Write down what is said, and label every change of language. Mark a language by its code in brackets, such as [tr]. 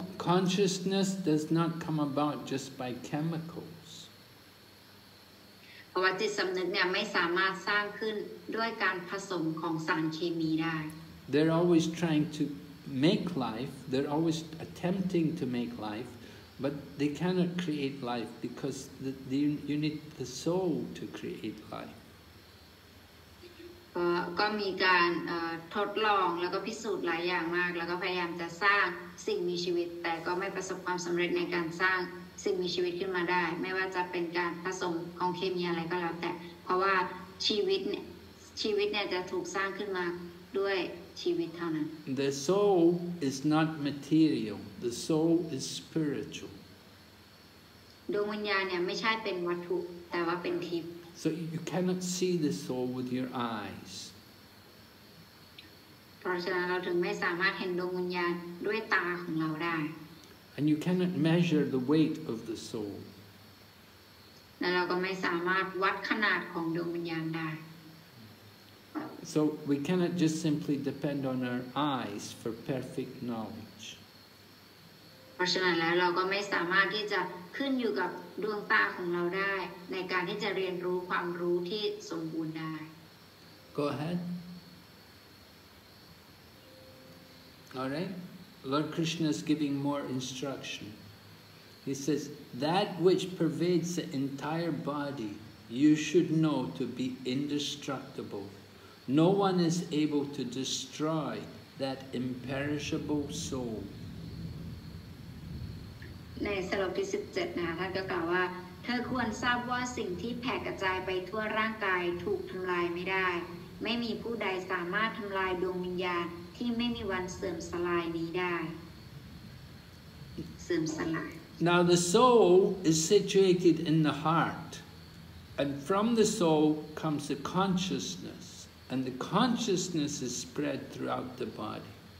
[en] Consciousness does not come about just by chemicals [th] เพราะว่าจิตสำนึกเนี่ยไม่สามารถสร้างขึ้นด้วยการผสมของสารเคมีได้ [en] They're always trying to make life they're always attempting to make lifeBut they cannot create life because you need the soul to create life. [th] ก็มีการทดลองแล้วก็พิสูจน์หลายอย่างมากแล้วก็พยายามจะสร้างสิ่งมีชีวิตแต่ก็ไม่ประสบความสำเร็จในการสร้างสิ่งมีชีวิตขึ้นมาได้ไม่ว่าจะเป็นการผสมของเคมีอะไรก็แล้วแต่เพราะว่าชีวิตเนี่ยจะถูกสร้างขึ้นมาด้วยชีวิตเท่านั้น [en] The soul is not material. The soul is spiritual. [th] ดวงวิญญาณเนี่ยไม่ใช่เป็นวัตถุแต่ว่าเป็นทิพย์ [en] So you cannot see the soul with your eyes. [th] เพราะฉะนั้นเราถึงไม่สามารถเห็นดวงวิญญาณด้วยตาของเราได้ [en] And you cannot measure the weight of the soul. [th] และเราก็ไม่สามารถวัดขนาดของดวงวิญญาณได้ [en] So we cannot just simply depend on our eyes for perfect knowledge. [th] เพราะฉะนั้นแล้วเราก็ไม่สามารถที่จะขึ้นอยู่กับดวงตาของเราได้ในการที่จะเรียนรู้ความรู้ที่สมบูรณ์ได้ [en] Go ahead. All right. Lord Krishna is giving more instruction. He says, that which pervades the entire body, you should know to be indestructible. No one is able to destroy that imperishable soul. [th] ในสรุปที่17นะคะท่านก็กล่าวว่าเธอควรทราบว่าสิ่งที่แผ่กระจายไปทั่วร่างกายถูกทำลายไม่ได้ไม่มีผู้ใดสามารถทำลายดวงวิญญาณที่ไม่มีวันเสื่อมสลายนี้ได้เสื่อมสลาย [en] Now the soul is situated in the heart and from the soul comes the consciousness and the consciousness is spread throughout the body